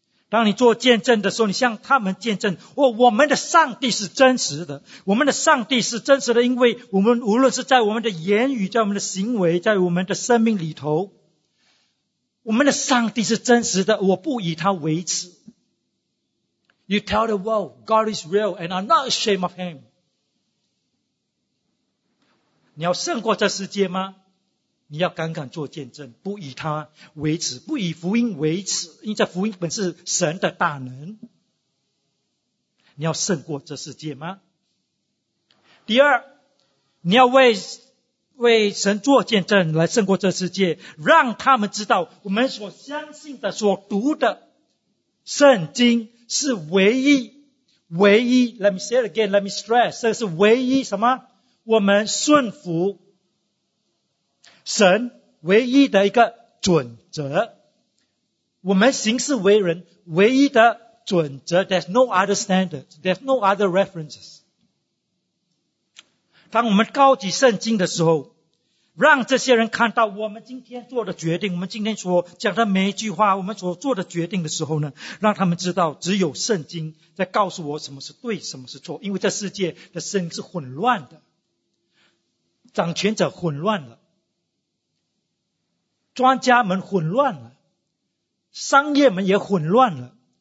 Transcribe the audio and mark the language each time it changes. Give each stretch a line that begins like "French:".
Chinese: 当你做见证的时候，你向他们见证，哦，我们的上帝是真实的，我们的上帝是真实的，因为我们无论是在我们的言语，在我们的行为，在我们的生命里头，我们的上帝是真实的，我不以他为耻。
English: You tell the world God is real and I'm not ashamed of him.
Chinese: 你要胜过这世界吗？你要敢敢做见证，不以他为耻，不以福音为耻，因为这福音本是神的大能。你要胜过这世界吗？第二，你要为神做见证来胜过这世界，让他们知道我们所相信的、所读的圣经是唯一唯一。
English: Let me say it again, let me stress,
Chinese: 这是唯一什么？我们顺服神唯一的一个准则，我们行事为人唯一的准则。
English: There's no other standards, there's no other references。
Chinese: 当我们高举圣经的时候，让这些人看到我们今天做的决定，我们今天所讲的每一句话，我们所做的决定的时候呢，让他们知道只有圣经在告诉我什么是对，什么是错。因为这世界的声音是混乱的，掌权者混乱了，专家们混乱了，商业们也混乱了。